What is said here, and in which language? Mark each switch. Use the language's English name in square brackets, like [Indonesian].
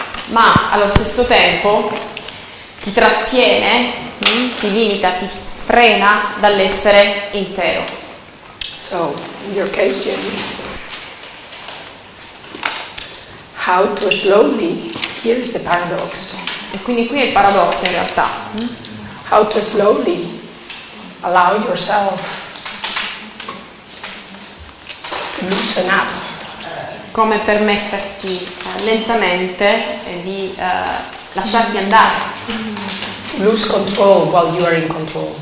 [Italian] Ma allo stesso tempo ti trattiene, ti limita, ti frena dall'essere intero. [English] So, in your case, Jenny, how to slowly, here is the paradox. [Italian] E quindi qui è il paradosso in realtà. [English] How to slowly allow yourself to loosen up. [Italian] Come permetterti lentamente di lasciarti andare. [English] Lose control while you are in control.